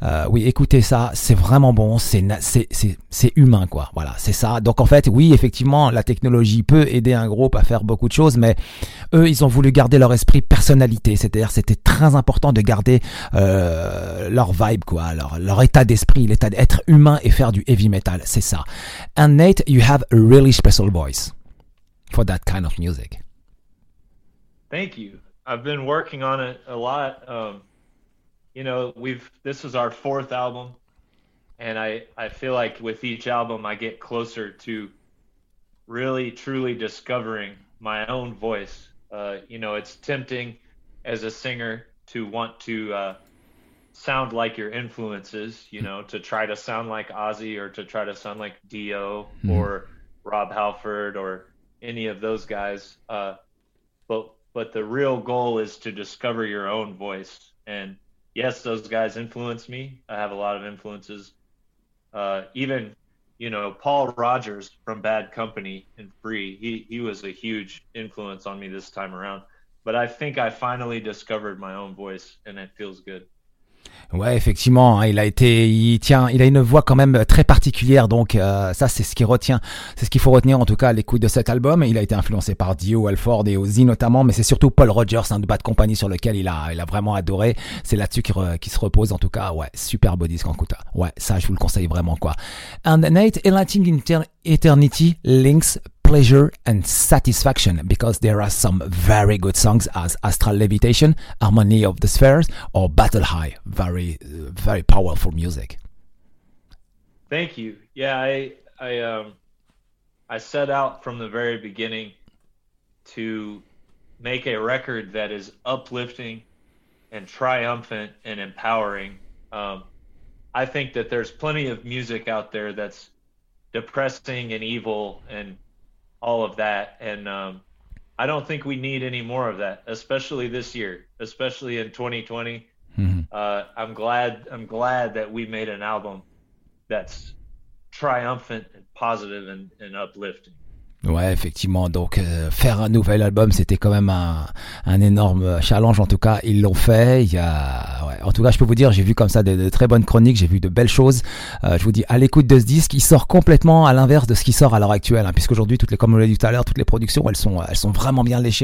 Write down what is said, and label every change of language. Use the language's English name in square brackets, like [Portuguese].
[French] Oui, écoutez ça, c'est vraiment bon, c'est humain quoi, voilà, c'est ça. Donc en fait, oui, effectivement, la technologie peut aider un groupe à faire beaucoup de choses, mais eux, ils ont voulu garder leur esprit personnalité, c'est-à-dire c'était très important de garder leur vibe, quoi, leur état d'esprit, l'état d'être humain et faire du heavy metal, c'est ça. [English] And Nate, you have a really special voice for that kind of music. Thank you. I've been working on it a lot. You know, this is our fourth album, and I feel like with each album, I get closer to really, truly discovering my own voice. You know, it's tempting as a singer to want to sound like your influences, you know, to try to sound like Ozzy or to try to sound like Dio or Rob Halford or any of those guys. But the real goal is to discover your own voice. And yes, those guys influence me. I have a lot of influences. Even, you know, Paul Rodgers from Bad Company and Free, he was a huge influence on me this time around. But I think I finally discovered my own voice, and it feels good. [French] Ouais, effectivement, il a une voix quand même très particulière, donc ça c'est ce qu'il faut retenir en tout cas à l'écoute de cet album. Il a été influencé par Dio, Halford et Ozzy notamment, mais c'est surtout Paul Rodgers, hein, de Bad Company, sur lequel il a vraiment adoré. C'est là-dessus qu'il se repose en tout cas. Ouais, super beau disque en tout cas. Ouais, ça je vous le conseille vraiment quoi. [English] And Nate, Enlightening Eternity links pleasure and satisfaction, because there are some very good songs as Astral Levitation, Harmony of the Spheres, or Battle High. Very, very powerful music. Thank you. Yeah, I set out from the very beginning to make a record that is uplifting and triumphant and empowering. I think that there's plenty of music out there that's depressing and evil and all of that, and I don't think we need any more of that, especially this year, especially in 2020. I'm glad that we made an album that's triumphant and positive and uplifting. [French] Ouais, effectivement. Donc, faire un nouvel album, c'était quand même un énorme challenge. En tout cas, ils l'ont fait. En tout cas, je peux vous dire, j'ai vu comme ça de très bonnes chroniques. J'ai vu de belles choses. Je vous dis, à l'écoute de ce disque, il sort complètement à l'inverse de ce qui sort à l'heure actuelle. Hein, puisqu'aujourd'hui, toutes les, comme on l'a dit tout à l'heure, toutes les productions, elles sont vraiment bien léchées.